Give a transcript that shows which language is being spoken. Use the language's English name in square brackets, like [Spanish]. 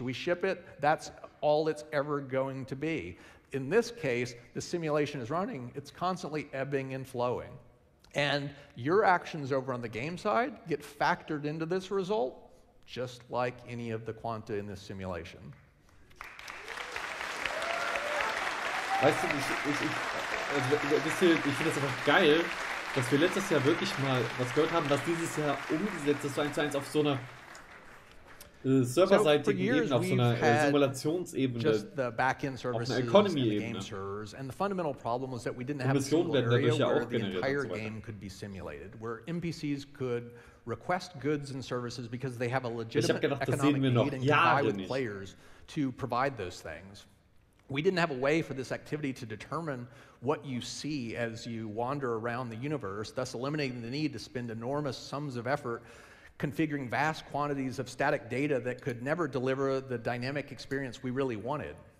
[English] We ship it, that's all it's ever going to be. In this case, the simulation is running, it's constantly ebbing and flowing. And your actions over on the game side get factored into this result, just like any of the quanta in this simulation. [German] Weißt du, ich finde das einfach geil, dass wir letztes Jahr wirklich mal was gehört haben, dass dieses Jahr umgesetzt ist, so 1:1 auf so einer serverseitigen Ebene, auf so einer Simulationsebene, auf einer Economy-Ebene. [English] And the fundamental problem was that we didn't have a single area where the entire game could be simulated, where NPCs could request goods and services because they have a legitimate economic need and can buy with players to provide those things. We didn't have a way for this activity to determine what you see as you wander around the universe, thus eliminating the need to spend enormous sums of effort configuring vast quantities of static data that could never deliver the dynamic experience we really wanted.